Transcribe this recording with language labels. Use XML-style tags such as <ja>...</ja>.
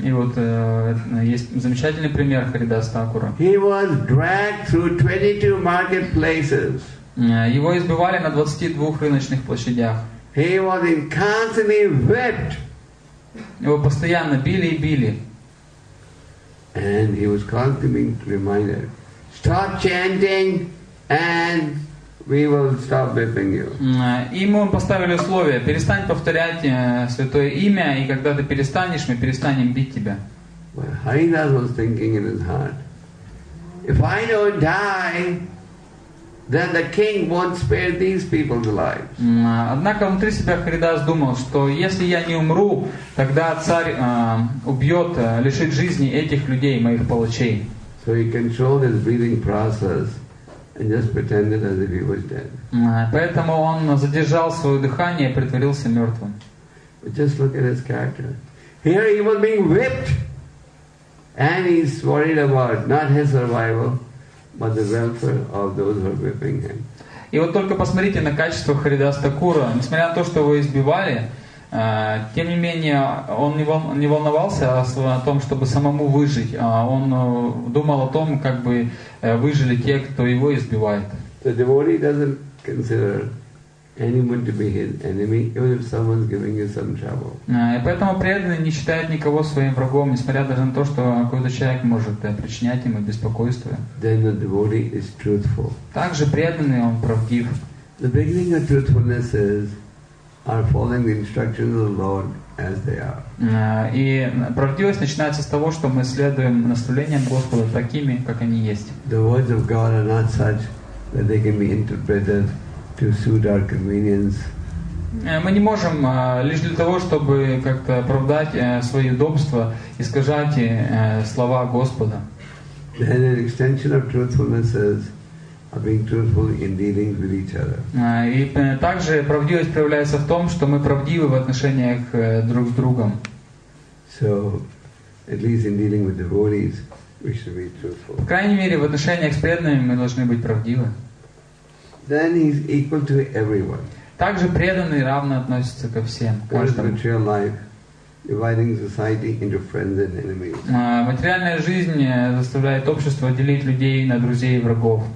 <ru>И вот есть замечательный пример Харидас Такура.</ru> <en>He was dragged through 22 marketplaces.</en> <ru>Его избивали на 22 рыночных площадях.</ru> <en>He was constantly whipped.</en> <ru>Его постоянно били и били.</ru> <en>And he was constantly being reminded, "Stop chanting, and we will stop whipping you."</en> <ru>И ему поставили условие: перестань повторять святое имя, и когда ты перестанешь, мы перестанем бить тебя.</ru> <en>But Haridas was thinking in his heart, "If I don't die, then the king won't spare these people's lives."</en> <ru>Однако внутри себя Харидас думал, что если я не умру, тогда царь убьет, лишит жизни этих людей, моих палачей.</ru> <en>So he controlled his breathing process and just pretended as if he was dead.</en> <ru>Поэтому он задержал свое дыхание и притворился мертвым.</ru> <en>But just look at his character. Here he was being whipped, and he's worried about not his survival, but the welfare of those who are whipping him.</en> <ru>И вот только посмотрите на качество Харидас Такура. Несмотря на то, что его избивали, тем не менее, он не волновался о том, чтобы самому выжить, а он думал о том, как бы выжили те, кто его избивает.</ru> <en>The devotee doesn't consider anyone to be his enemy, even if someone's giving you some trouble.</en> <ru>И поэтому преданный не считает никого своим врагом, несмотря даже на то, что какой-то человек может причинять ему беспокойство.</ru> <en>Then the devotee is truthful.</en> <ru>Также преданный, он правдив.</ru> <en>The beginning of truthfulness is are following the instructions of the Lord as they are.</en> <ru>И правдивость начинается с того, что мы следуем наставлениям Господа такими, как они есть.</ru> <en>The words of God are not such that they can be interpreted to suit our convenience.</en> <ru>Мы не можем лишь для того, чтобы как-то оправдать свои удобства, искажать слова Господа.</ru> <en>Then an extension of truthfulness is being truthful in dealing with each other.</en> <ru>И также правдивость проявляется в том, что мы правдивы в отношениях друг с другом.</ru> <en>So, at least in dealing with devotees, we should be truthful.</en> <ru>По крайней мере, в отношениях с преданными мы должны быть правдивы.</ru> <en>Then he's equal to everyone.</en> <ru>Также преданный равно относится ко всем.</ru> <en>Material life, dividing society into friends and enemies.</en> <ru>Материальная жизнь заставляет общество делить людей на друзей и врагов.</ru>